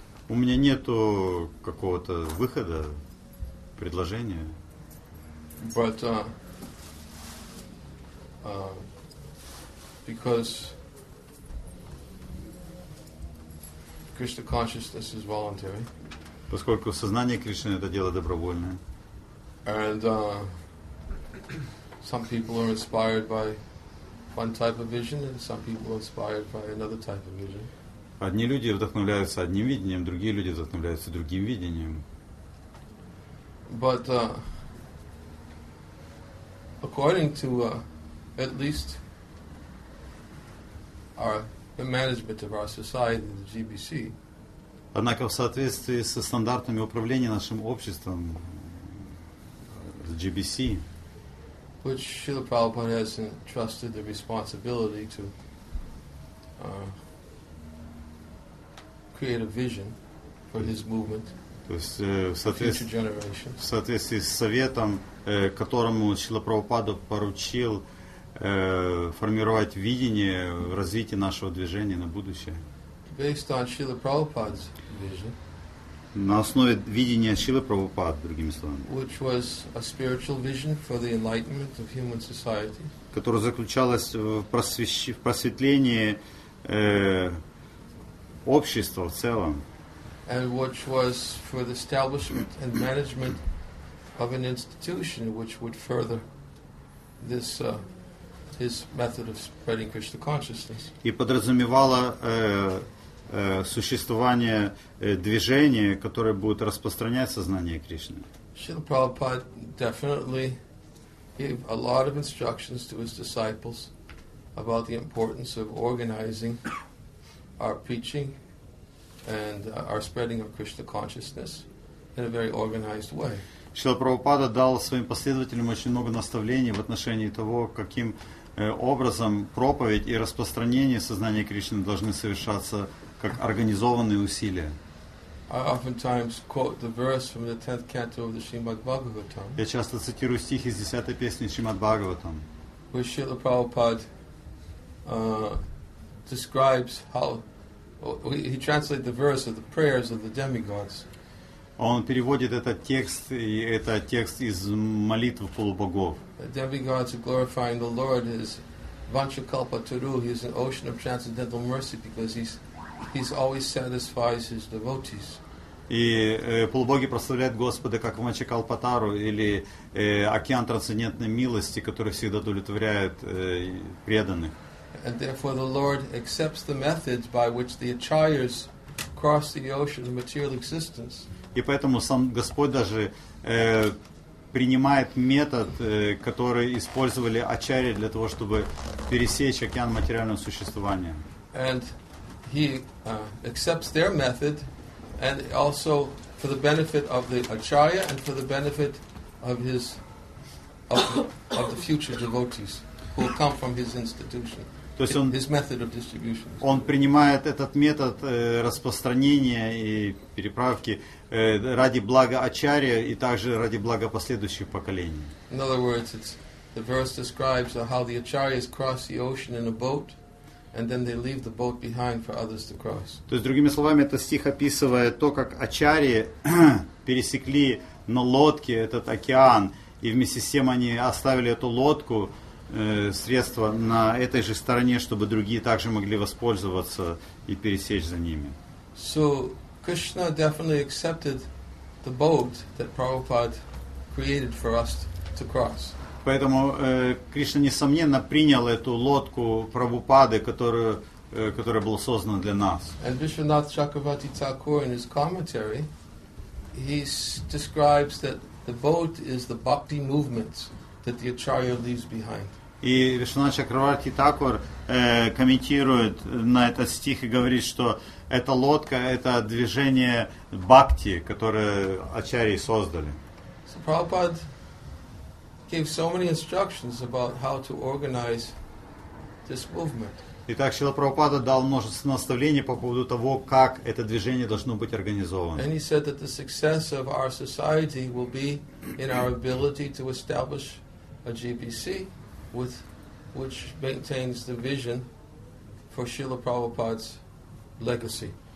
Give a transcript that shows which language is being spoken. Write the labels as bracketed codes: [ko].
[ru] У меня нету какого-то выхода, предложения. [en] But because Krishna consciousness is voluntary. [ru] Поскольку сознание Кришны это дело добровольное. [en] And some people are inspired by one type of vision, and some people are inspired by another type of vision. [ru] Одни люди вдохновляются одним видением, другие люди вдохновляются другим видением. [en] But according to at least the management of our society, the GBC. [ru] Однако в соответствии со стандартами управления нашим обществом, GBC, [en] which Srila Prabhupada has entrusted the responsibility to create a vision for his movement, [ru] то есть, [en] future generation. [ru] В соответствии с советом, которому Шрила Прабхупада поручил формировать видение развития нашего движения на будущее. [en] Based on Srila Prabhupada's vision, [ru] на основе видения Шрилы Прабхупады, другими словами, [en] which was a spiritual vision for the enlightenment of human society, [ru] которая заключалась в просветлении общества в целом, [en] and which was for the establishment and management of an institution which would further this his method of spreading Krishna consciousness. [ru] И подразумевала существование движения, которое будет распространять сознание Кришны. [en] Шрила Прабхупада definitely gave a lot of instructions to his disciples about the importance of organizing our preaching and our spreading of Krishna consciousness in a very organized way. [ru] Шрила Прабхупада дал своим последователям очень много наставлений в отношении того, каким образом проповедь и распространение сознания Кришны должны совершаться как организованные усилия. [en] I oftentimes quote the verse from the 10th canto of the Srimad Bhagavatam. [ru] Я часто цитирую стих из 10-й песни Шримад Бхагаватам. [en] Where Srila Prabhupada describes how he translates the verse of the prayers of the demigods. [ru] Он переводит этот текст, и это текст из молитв полубогов. [en] The demigods are glorifying the Lord as Vanchakalpa Turu. He is an ocean of transcendental mercy because he's always satisfies his devotees. [ru] И полубоги прославляют Господа как Ванчакалпа Тару или океан трансцендентной милости, который всегда удовлетворяет преданных. [en] And therefore the Lord accepts the methods by which the acharyas cross the ocean of material existence. [ru] И поэтому сам Господь даже принимает метод, который использовали ачарьи для того, чтобы пересечь океан материального существования. [en] And he accepts their method, and also for the benefit of the Acharya and for the benefit of his of the future devotees who will come from his institution. [ru] То есть он, [en] his method of distribution. [ru] Он принимает этот метод распространения и переправки ради блага Ачарьи и также ради блага последующих поколений. [en] In other words, it's, the verse describes how the Acharyas cross the ocean in a boat, and then they leave the boat behind for others to cross. [ru] То есть, другими словами, этот стих описывает то, как Ачарьи пересекли на лодке этот океан, и вместе с тем они оставили эту лодку, средства на этой же стороне, чтобы другие также могли воспользоваться и пересечь за ними. [en] So, Krishna definitely accepted the boat that Prabhupada created for us to cross. [ru] Поэтому Кришна, несомненно, принял эту лодку Прабхупады, которую, которая была создана для нас. [en] And Vishwanath Chakravarti Thakur, in his commentary, he describes that the boat is the bhakti movements that the Acharya leaves behind. [ru] И Вишванат Чакраварти Такур комментирует на этот стих и говорит, что эта лодка — это движение бхакти, которое Ачарьи создали. [en] So Prabhupada gave so many instructions about how to organize this movement. [ru] Итак, Шрила Прабхупада дал множество наставлений по поводу того, как это движение должно быть организовано. [en] And he said that the success of our society will be in our ability to establish a GPC with which maintains the vision for Srila Prabhupada's legacy.